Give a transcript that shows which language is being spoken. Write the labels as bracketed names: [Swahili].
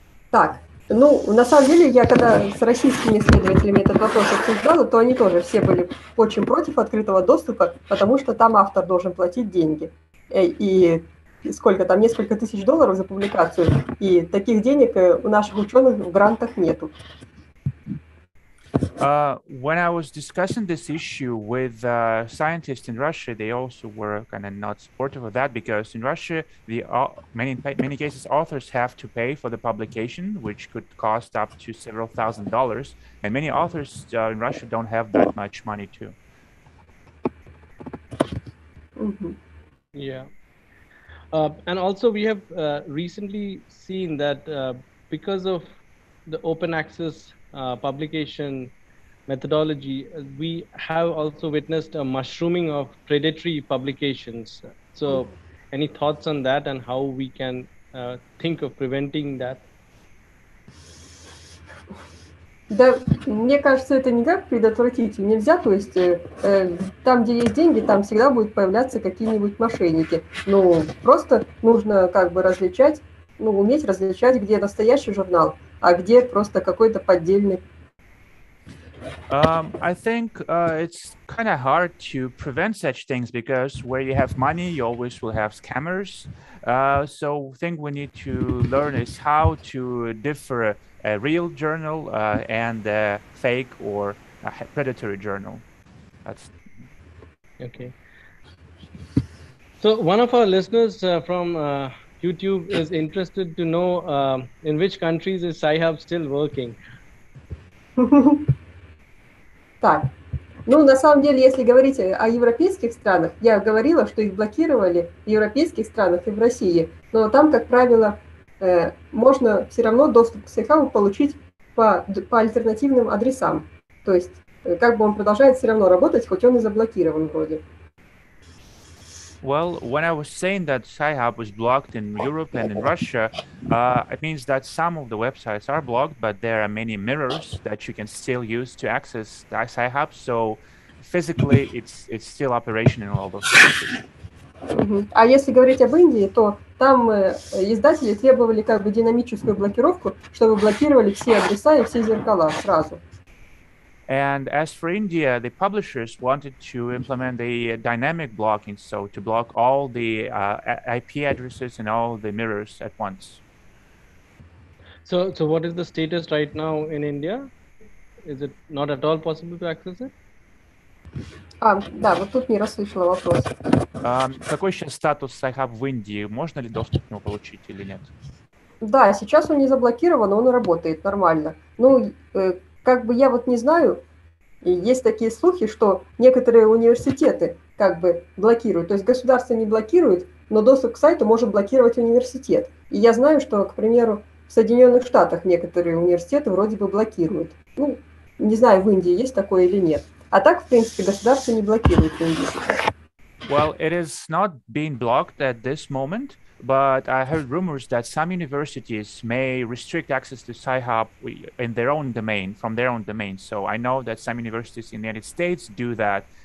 [Russian] Так, ну, на самом деле, я когда с российскими исследователями этот вопрос обсуждала, то они тоже все были очень против открытого доступа, потому что там автор должен платить деньги. И сколько там, несколько тысяч долларов за публикацию, и таких денег у наших ученых в грантах нету. [English] When I was discussing this issue with scientists in Russia, they also were kind of not supportive of that because in Russia, the many cases, authors have to pay for the publication, which could cost up to several thousand dollars. And many authors in Russia don't have that much money too. Mm-hmm. Yeah. And also we have recently seen that because of the open access publication methodology, we have also witnessed a mushrooming of predatory publications. So any thoughts on that and how we can think of preventing that? [Russian] Да, мне кажется, это никак предотвратить нельзя. То есть там, где есть деньги, там всегда будут появляться какие-нибудь мошенники. Ну, просто нужно как бы различать, ну, уметь различать, где настоящий журнал, а где просто какой-то поддельный. [English] I think it's kind of hard to prevent such things because where you have money, you always will have scammers. So I think we need to learn is how to differ a real journal and a fake or a predatory journal. That's okay. So one of our listeners from YouTube is interested to know in which countries is Sci-Hub still working? [Russian] Так, ну на самом деле, если говорить о европейских странах, я говорила, что их блокировали в европейских странах и в России, но там, как правило, можно все равно доступ к Sci-Hub получить по альтернативным адресам. То есть, как бы он продолжает все равно работать, хоть он и заблокирован вроде. [English] Well, when I was saying that Sci-Hub was blocked in Europe and in Russia, it means that some of the websites are blocked, but there are many mirrors that you can still use to access the Sci-Hub. So physically, it's still operation in all those places. [Russian] А если говорить об Индии, то там издатели требовали как бы динамическую блокировку, чтобы блокировали все адреса и все зеркала сразу. [English] And as for India, the publishers wanted to implement a dynamic blocking, so to block all the IP addresses and all the mirrors at once. So what is the status right now in India? Is it not at all possible to access it? [Russian] Да, вот тут не расслышала вопрос. Какой сейчас статус Sci-Hub в Индии? Можно ли доступ к нему получить или нет? Да, сейчас он не заблокирован, он работает нормально. Ну, как бы я вот не знаю, есть такие слухи, что некоторые университеты как бы блокируют. То есть государство не блокирует, но доступ к сайту может блокировать университет. И я знаю, что, к примеру, в Соединенных Штатах некоторые университеты вроде бы блокируют. Ну, не знаю, в Индии есть такое или нет. А так, в принципе, государство не блокирует Индию. [English] Well, it is not being blocked at this moment, but I heard rumors that some universities may restrict access to Sci-Hub in their own domain, from their own domain. So I know that some universities in the United States do that.